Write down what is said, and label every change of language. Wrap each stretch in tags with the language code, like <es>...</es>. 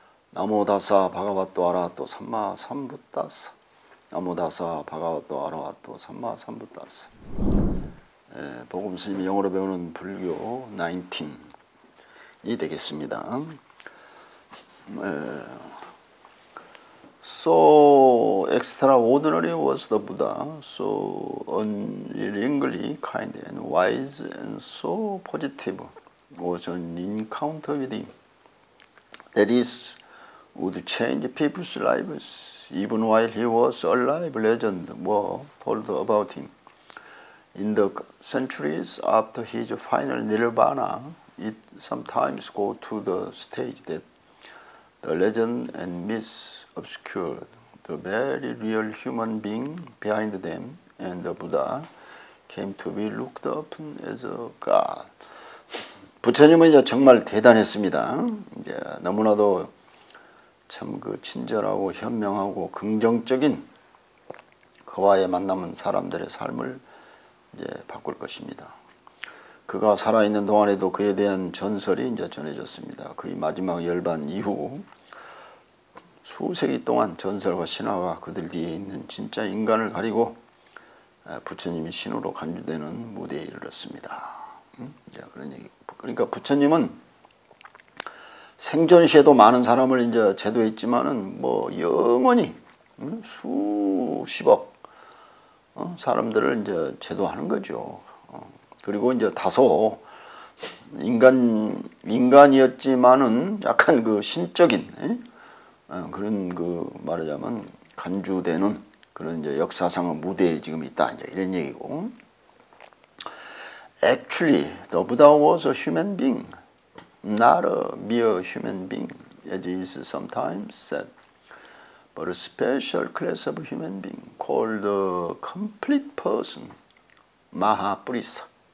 <pi>나무 다사 바가와 또 아라하또 삼마 삼부다사. 나무 다사 바가와 또 아라하또 삼마 삼부다사.</pi> <ko>복음 스님이 영어로 배우는 불교 19이 되겠습니다.</ko> <en>So extraordinary was the Buddha, so unerringly kind and wise, and so positive was an encounter with him that is would change people's lives. Even while he was alive, legend were told about him. In the centuries after his final nirvana, it sometimes go to the stage that the legend and myths obscured the very real human being behind them, and the Buddha came to be looked upon as a god.</en> <ko>부처님은 이제 정말 대단했습니다. 이제 너무나도 참 그 친절하고 현명하고 긍정적인 그와의 만남은 사람들의 삶을 이제 바꿀 것입니다. 그가 살아있는 동안에도 그에 대한 전설이 이제 전해졌습니다. 그의 마지막 열반 이후 수세기 동안 전설과 신화가 그들 뒤에 있는 진짜 인간을 가리고 부처님이 신으로 간주되는 무대에 이르렀습니다. 그런 얘기. 그러니까 부처님은 생존 시에도 많은 사람을 이제 제도했지만은 뭐 영원히 수십억 사람들을 이제 제도하는 거죠. 그리고 이제 다소 인간이었지만은 약간 그 신적인 그런 그 말하자면 간주되는 그런 이제 역사상의 무대에 지금 있다 이제 이런 얘기고.</ko> <en>Actually, the Buddha was a human being, not a mere human being, as is sometimes said, but a special class of human being called a complete person, Mahapurusa.</en>